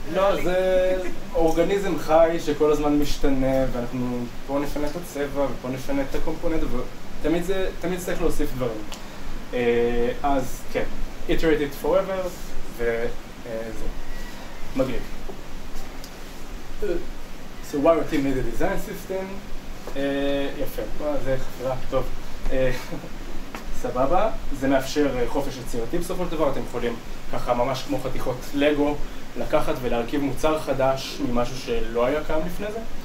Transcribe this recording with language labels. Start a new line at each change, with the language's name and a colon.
Hebrew: לא, זה אורגניזם חי שכל הזמן משתנה, ואנחנו פה נפנה את הצבע, ופה נפנה את הקומפוננט, ותמיד זה, תמיד צריך להוסיף דברים. אז כן,
English: iterated forever,
Hebrew: וזה. מגניב.
English: So why we need a design system?
Hebrew: יפה, זה חפירה, טוב. סבבה, זה מאפשר חופש יצירתי בסופו של דבר, אתם יכולים ככה ממש כמו חתיכות לגו, לקחת ולהרכיב מוצר חדש ממשהו שלא היה קיים לפני זה.